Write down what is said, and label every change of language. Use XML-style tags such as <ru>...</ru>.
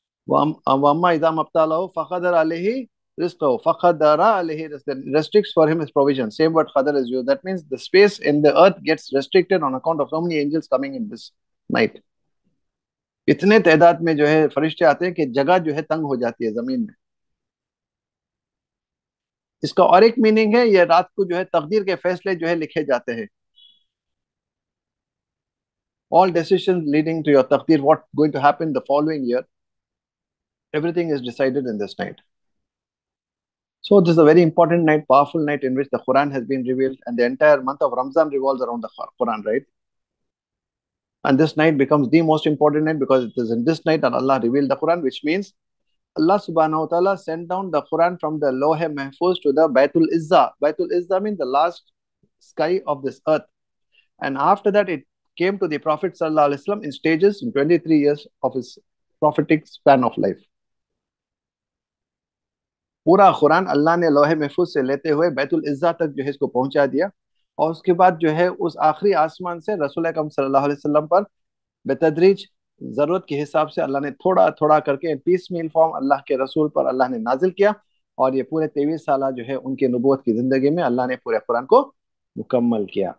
<ar>وَأَمَّا إِذَا مَبْتَلَهُ فَقَدَرَ عَلَيْهِ رِزْقَهُ فَقَدَرَ عَلَيْهِ رِزْقَهُ</ar> <en>restricts for him his provision. Same word Qadr is used. That means the space in the earth gets restricted on account of so many angels coming in this night.</en> <ur>اتنے تعداد میں جو ہے فرشتے آتے ہیں کہ جگہ جو ہے تنگ ہو جاتی ہے زمین میں. اس کا اور ایک میننگ ہے, یہ رات کو جو ہے تقدیر کے فیصلے جو ہے لکھے جاتے ہیں.</ur> <en>All decisions leading to your taqdeer, what's going to happen the following year, everything is decided in this night. So this is a very important night, powerful night in which the Quran has been revealed, and the entire month of Ramzan revolves around the Quran, right? And this night becomes the most important night because it is in this night that Allah revealed the Quran, which means Allah subhanahu wa ta'ala sent down the Quran from the Lohe Mehfuz to the Baitul Izza. Baitul Izza means the last sky of this earth. And after that, it came to the Prophet sallallahu alaihi wasallam in stages in 23 years of his prophetic span of life.</en> <ur>پورا قرآن اللہ نے لوح محفوظ سے لیتے ہوئے بیت العزہ تک جو ہے اس کو پہنچا دیا, اور اس کے بعد جو ہے اس آخری آسمان سے رسول اکرم صلی اللہ علیہ وسلم پر بتدریج ضرورت کے حساب سے اللہ نے تھوڑا تھوڑا کر کے</ur> <en>piecemeal form</en> <ur>اللہ کے رسول پر اللہ نے نازل کیا, اور یہ پورے 23 سالہ جو ہے ان کی نبوت کی زندگی میں اللہ نے پورے قرآن کو مکمل کیا.</ur>